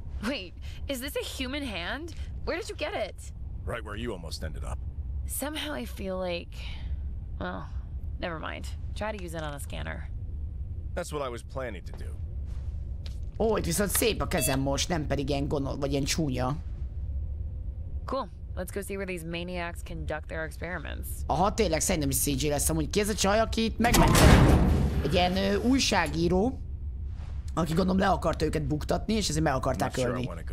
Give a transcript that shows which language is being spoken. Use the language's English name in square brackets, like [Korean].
[English] Wait, is this a human hand? Where did you get it? Right where you almost ended up. Somehow I feel like... Well, never mind. Try to use it on a scanner. That's what I was planning to do. [Hungarian] Ó, itt viszont szép a kezem most, nem pedig ilyen gonosz, vagy ilyen csúnya. [English] Cool. Let's go see where these maniacs conduct their experiments. [Hungarian] Aha, tényleg, szerintem is CJ lesz amúgy. Ki ez a csaj, aki itt megmentett? Egy ilyen újságíró, aki gondolom le akart őket buktatni, és ezért meg akarták ölni.